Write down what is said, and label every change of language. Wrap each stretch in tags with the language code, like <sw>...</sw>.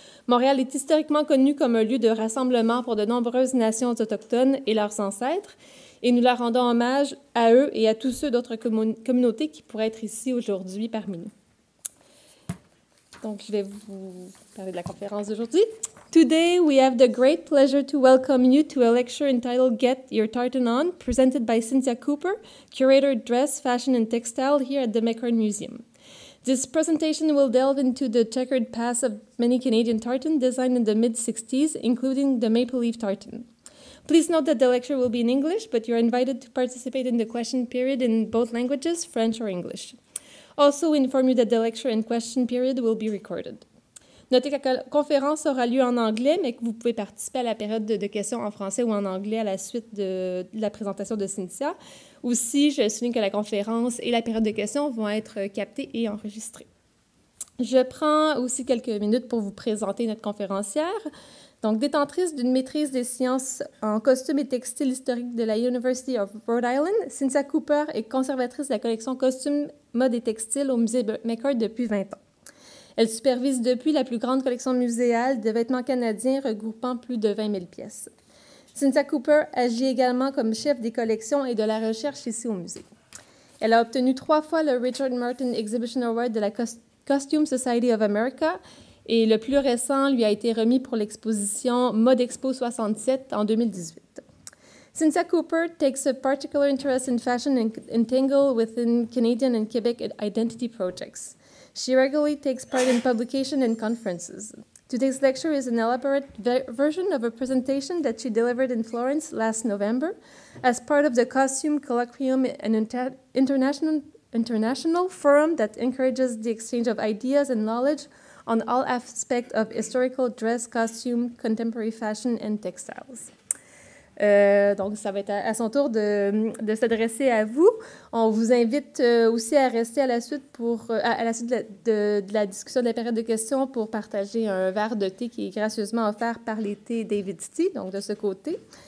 <fr>Montréal est historiquement connu comme un lieu de rassemblement pour de nombreuses nations autochtones et leurs ancêtres, et nous leur rendons hommage à eux et à tous ceux d'autres communautés qui pourraient être ici aujourd'hui parmi nous. Donc, je vais vous parler de la conférence d'aujourd'hui.</fr> <en>Today, we have the great pleasure to welcome you to a lecture entitled Get Your Tartan On, presented by Cynthia Cooper, curator dress, fashion and textile here at the McCord Museum. This presentation will delve into the checkered past of many Canadian tartans designed in the mid-60s, including the maple leaf tartan. Please note that the lecture will be in English, but you're invited to participate in the question period in both languages, French or English. Also, we inform you that the lecture and question period will be recorded.</en> <fr>Notez que la conférence aura lieu en anglais, mais que vous pouvez participer à la période de questions en français ou en anglais à la suite de la présentation de Cynthia. Aussi, je souligne que la conférence et la période de questions vont être captées et enregistrées. Je prends aussi quelques minutes pour vous présenter notre conférencière. Donc, détentrice d'une maîtrise des sciences en costumes et textiles historiques de la University of Rhode Island, Cynthia Cooper est conservatrice de la collection costumes, mode et textiles au Musée McCord depuis 20 ans. Elle supervise depuis la plus grande collection muséale de vêtements canadiens regroupant plus de 20 000 pièces. Cynthia Cooper agit également comme chef des collections et de la recherche ici au musée. Elle a obtenu 3 fois le Richard Martin Exhibition Award de la Costume Society of America et le plus récent lui a été remis pour l'exposition Mode Expo 67 en 2018.</fr> <en>Cynthia Cooper takes a particular interest in fashion and entangled within Canadian and Quebec identity projects. She regularly takes part in publication and conferences. Today's lecture is an elaborate version of a presentation that she delivered in Florence last November as part of the Costume Colloquium and international Forum that encourages the exchange of ideas and knowledge on all aspects of historical dress, costume, contemporary fashion and textiles.</en> <fr>Donc, ça va être à son tour de s'adresser à vous. On vous invite aussi à rester à la suite, de la discussion de la période de questions pour partager un verre de thé qui est gracieusement offert par les thés David City, donc de ce côté.</fr>